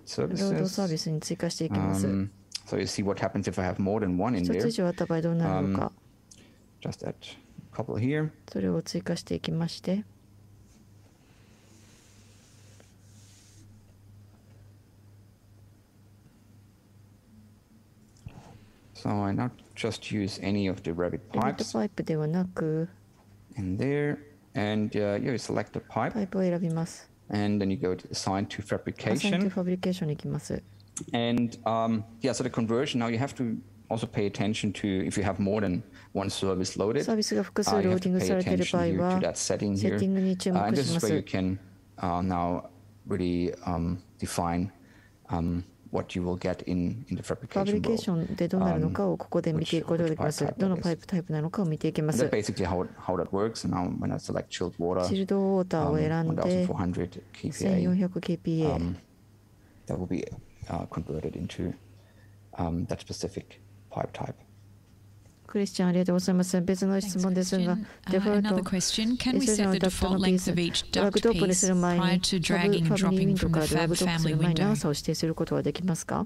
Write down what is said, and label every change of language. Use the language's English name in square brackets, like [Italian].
[Japanese] サービスに追加していきます。 [English] So you see what happens if I have more than one in there. [Japanese] 一つ以上あった場合どうなるのか。 [English] Just add a couple here. [Japanese] それを追加していきまして。 [English] So I not just use any of the Revit pipes. [Japanese] Revit pipe ではなく。 [English] In there. And you select a pipe. [Japanese] パイプを選びます。 [English] And then you go to assign to fabrication. Assign to fabrication [Japanese] に行きます。 [English] And so the conversion. Now you have to also pay attention to if you have more than one service loaded. [Japanese] サービスが複数ローディングされている場合は、セッティングに注目します。 [English] And this is where you can now really define what you will get in the fabrication. [Japanese] ファブリケーションでどうなるのかをここで見ていくことができます。どのパイプタイプなのかを見ていきます。 [English] That's basically how that works. Now when I select chilled water, chilled water [Japanese] を選んで、1400 kPa, [English] that will be converted into that specific pipe type. [Japanese] クリスチャン、ありがとうございます。別の質問ですが、デフォルト、SNのダクトのピース、ダクトオープンする前に、ファブファミリーウィンドウからダクトオープンする前に長さを指定することはできますか？